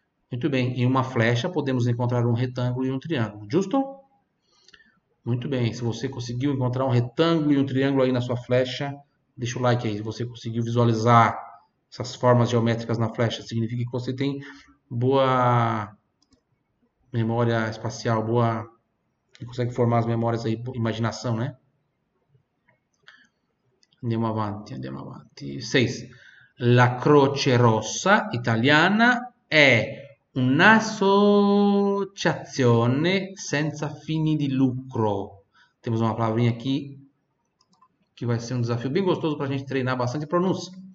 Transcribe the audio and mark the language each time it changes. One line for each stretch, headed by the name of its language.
Portuguese: Muito bem,
Italian: in una freccia possiamo encontrar un rettangolo e un triangolo, giusto?
Portuguese: Muito bem, se você conseguiu encontrar un rettangolo e un triangolo aí na sua flecha, deixa o like aí. Se você conseguiu visualizar essas formas geométricas na flecha, significa que você tem boa memória espacial, boa. E consegue formar as memórias aí, imaginação, né?
Italian: Andiamo avanti, andiamo avanti. 6. La Croce Rossa italiana è un'associazione senza fini di lucro.
Portuguese: Temos uma palavrinha aqui que vai ser um desafio bem gostoso para a gente treinar bastante pronúncia.